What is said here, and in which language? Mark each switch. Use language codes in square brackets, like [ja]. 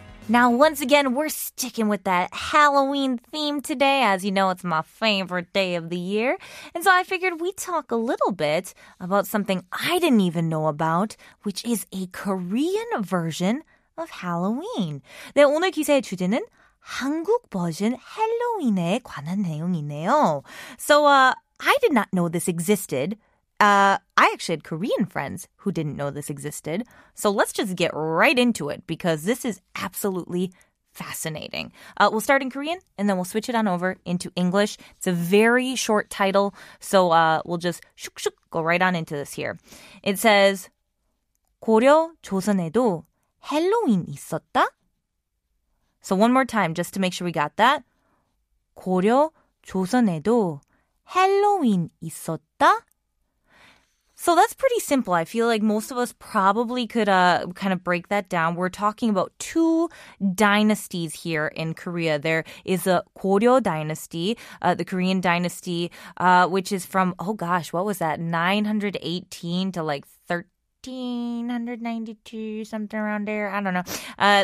[en] Now, once again, we're sticking with that Halloween theme today. As you know, it's my favorite day of the year. And so I figured we'd talk a little bit about something I didn't even know about, which is a Korean version of Halloween. [ko] 네, 오늘 기사의 주제는 한국 버전 할로윈에 관한 내용이네요. [en] So I did not know this existed. I actually had Korean friends who didn't know this existed. So let's just get right into it because this is absolutely fascinating. We'll start in Korean and then we'll switch it on over into English. It's a very short title, so we'll just go right on into this here. It says, [ko] 고려 조선에도 할로윈 있었다? [en] So one more time, just to make sure we got that. [ko] 고려 조선에도 할로윈 있었다? [en] So that's pretty simple. I feel like most of us probably could kind of break that down. We're talking about two dynasties here in Korea. There is a Goryeo dynasty, the Korean dynasty, which is from, oh gosh, what was that? 918 to like 1392, something around there. I don't know.